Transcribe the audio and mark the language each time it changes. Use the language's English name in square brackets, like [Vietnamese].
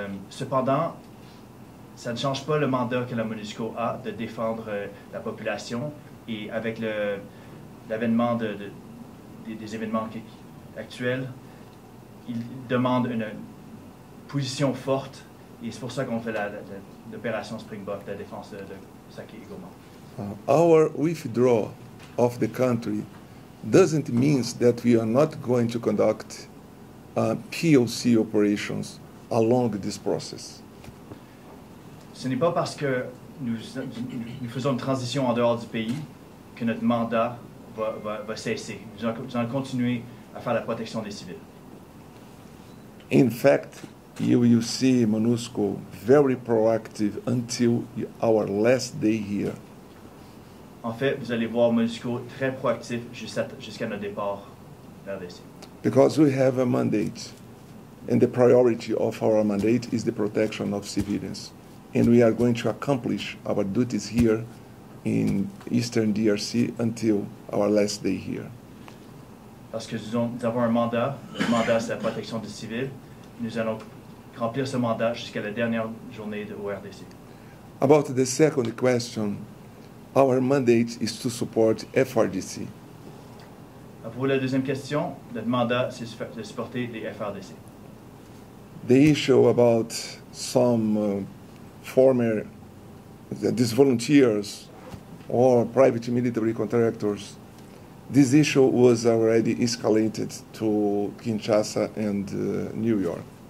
[French] Cependant, ça ne change pas le mandat que la MONUSCO a de défendre la population et avec l'avènement des événements actuels, il demande une position forte et c'est pour ça qu'on fait l'opération Springbok, la défense de Saki et Goma. [English] Our withdrawal of the country doesn't mean that we are not going to conduct POC operations along this process. [French] Ce n'est pas parce que nous faisons une transition en dehors du pays que notre mandat va cesser. Nous allons continuer à faire la protection des civils. [English] In fact, you will see MONUSCO very proactive until our last day here. [French] En fait, vous allez voir MONUSCO très proactif jusqu'à notre départ vers l'RDC. [English] Because we have a mandate, and the priority of our mandate is the protection of civilians. And we are going to accomplish our duties here in Eastern DRC until our last day here. [French] Parce que nous avons un mandat, le mandat c'est la protection des civils. Nous allons remplir ce mandat jusqu'à la dernière journée de l'ORDC. [English] About the second question, our mandate is to support FRDC. [French] À propos de la deuxième question, notre mandat c'est de supporter les FRDC. [English] The issue about some former these volunteers or private military contractors, this issue was already escalated to Kinshasa and New York.